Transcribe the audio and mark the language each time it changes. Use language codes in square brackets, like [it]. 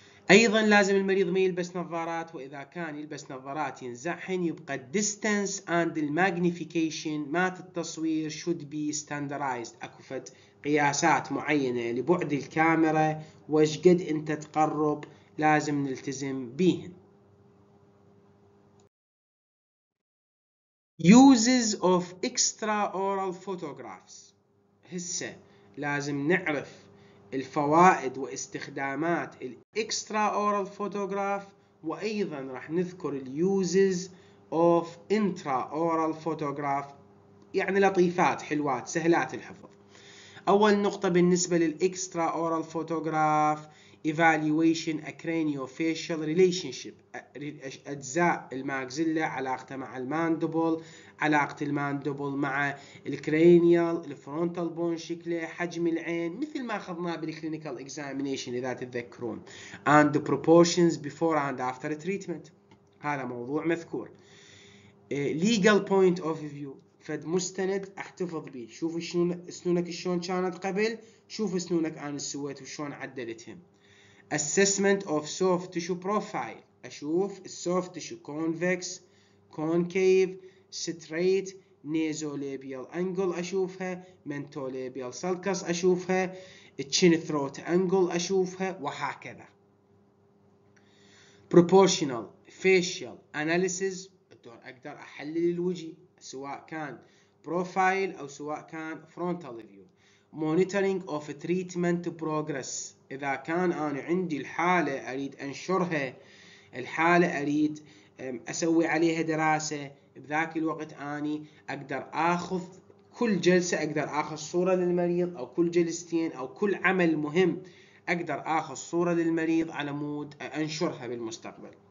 [ar] ايضا لازم المريض ما يلبس نظارات، واذا كان يلبس نظارات ينزعحن. يبقى الديستنس اند الماجنيفيكيشن، مات التصوير [en] should be standardized, [ar] اكو فد قياسات معينه لبعد الكاميرا وش قد انت تقرب، لازم نلتزم بيهن. [en] Uses of extraoral photographs. [ar] هسه لازم نعرف الفوائد واستخدامات الـ extraoral photograph، وأيضا راح نذكر الـ [en] uses of intraoral photograph، [ar] يعني لطيفات حلوات سهلات الحفظ. أول نقطة بالنسبة للـ extraoral photograph، [en] evaluation a craniofacial relationship، [ar] أجزاء الماكزيلا علاقتها مع الماندبل، علاقة الماندبل مع الكرانيال، الفرونتال بون شكله، حجم العين مثل ما أخذناه بالكلينيكال examination إذا تتذكرون، [en] and the proportions before and after treatment. [ar] هذا موضوع مذكور. [en] legal point of view، [ar] فد مستند احتفظ به، شوف سنونك شلون كانت قبل، شوف سنونك أنا سويت وشون عدلتهم. [en] assessment of soft tissue profile، اشوف السوفت تشو convex concave straight، nasolabial angle اشوفها، mentolabial sulcus اشوفها، chin throat angle اشوفها، وهكذا. proportional facial analysis، [ar] اقدر احلل الوجه سواء كان بروفايل او سواء كان frontal view. [en] monitoring of treatment progress، [ar] اذا كان انا عندي الحالة اريد انشرها، الحالة اريد اسوي عليها دراسة، بذاك الوقت اني اقدر اخذ كل جلسة، اقدر اخذ صورة للمريض، او كل جلستين، او كل عمل مهم اقدر اخذ صورة للمريض على مود انشرها بالمستقبل.